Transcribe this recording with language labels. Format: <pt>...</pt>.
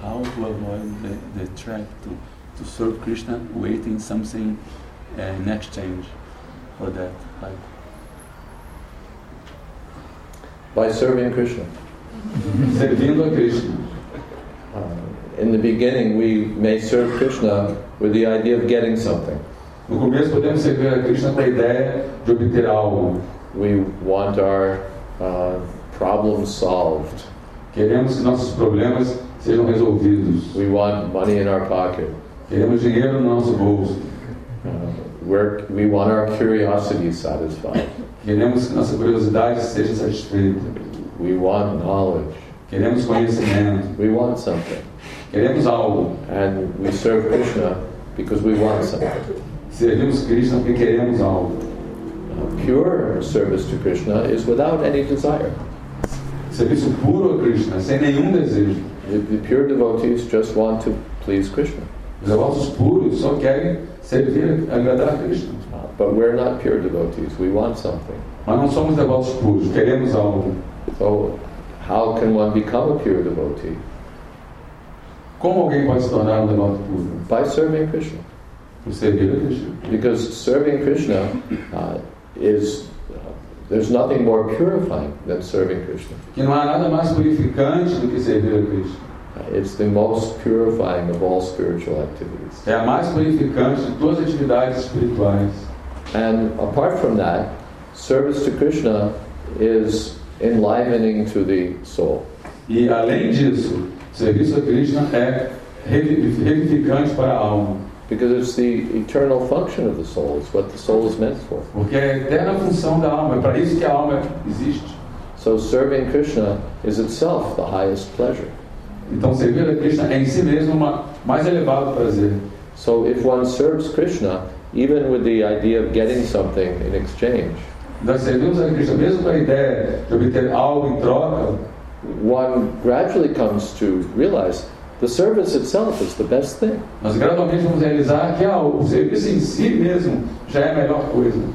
<en>How to avoid the trap to serve Krishna waiting something in exchange for that? Like, by serving Krishna.</en> <pt>Servindo a Krishna.</pt> <en>In the beginning we may serve Krishna with the idea of getting something.</en> <pt>No começo podemos servir a Krishna com a ideia de obter algo.</pt> <en>We want our problems solved.</en> <pt>Queremos que nossos problemas sejam resolvidos.</pt> <en>We want money in our pocket.</en> <pt>Queremos dinheiro no nosso bolso.</pt> <en>We want our curiosity satisfied.</en> <pt>Queremos que nossa curiosidade seja satisfeita.</pt> <en>We want knowledge.</en> <pt>Queremos conhecimento.</pt> <en>We want something.</en> <pt>Queremos algo.</pt> <en>And we serve Krishna because we want something.</en> <pt>Servimos Krishna porque queremos algo.</pt> <en>Pure service to Krishna is without any desire.</en> <pt>Serviço puro a Krishna, sem nenhum desejo.</pt> <en>The pure devotees just want to please Krishna.</en> <pt>Os devotos puros só querem servir, agradar a Krishna.</pt> <en>But we're not pure devotees, we want something.</en> <pt>Mas não somos devotos puros, queremos algo.</pt> <en>So, how can one become a pure devotee?</en> <pt>Como alguém pode se tornar um devoto puro?</pt> <en>By serving Krishna.</en> <pt>Por servir a Krishna.</pt> <en>Because serving Krishna is there's nothing more purifying than serving Krishna.</en> <pt>Que não há nada mais purificante do que servir a Krishna.</pt> <en>It's the most purifying of all spiritual activities.</en> <pt>É a mais purificante de todas as atividades espirituais.</pt> <en>And apart from that, service to Krishna is enlivening to the soul.</en> <pt>E além disso, serviço a Krishna é revivificante para a alma.</pt> <en>Because it's the eternal function of the soul. It's what the soul is meant for.</en> <pt>Porque é a eterna função da alma. É para isso que a alma existe.</pt> <en>So serving Krishna is itself the highest pleasure.</en> <pt>Então servir a Krishna é em si mesmo o mais elevado prazer.</pt> <en>So if one serves Krishna, even with the idea of getting something in exchange,</en> <pt>nós servimos a Krishna mesmo com a ideia de obter algo em troca,</pt> <en>one gradually comes to realize the service itself is the best thing.</en> <pt>Nós gradualmente vamos realizar que o serviço em si mesmo já é a melhor coisa.</pt>